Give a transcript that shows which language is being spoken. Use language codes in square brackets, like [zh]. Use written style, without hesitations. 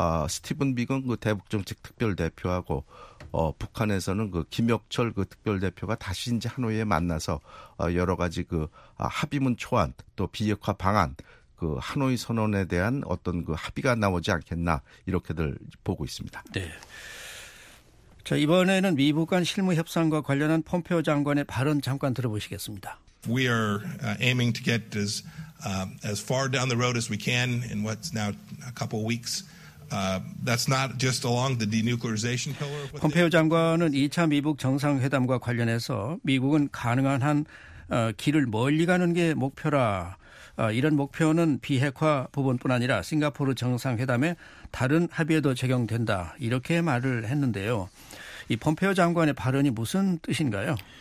[ko] 스티븐 비건 대북정책 특별대표하고 북한에서는 김혁철 특별대표가 다시 이제 하노이에 만나서 여러 가지 합의문 초안 또 비핵화 방안 하노이 선언에 대한 어떤 합의가 나오지 않겠나 이렇게들 보고 있습니다. 네. 자, 이번에는 미북 간 실무 협상과 관련한 폼페오 장관의 발언 잠깐 들어보시겠습니다. [en] We are aiming to get as far down the road as we can in what's now a couple of weeks. That's not just along the denuclearization pillar. [ko] 폼페오 장관은 2차 미북 정상회담과 관련해서 미국은 가능한 한 길을 멀리 가는 게 목표라. 이런 목표는 비핵화 부분뿐 아니라 싱가포르 정상회담의 다른 합의에도 적용된다. 이렇게 말을 했는데요. 이 폼페오 장관의 발언이 무슨 뜻인가요?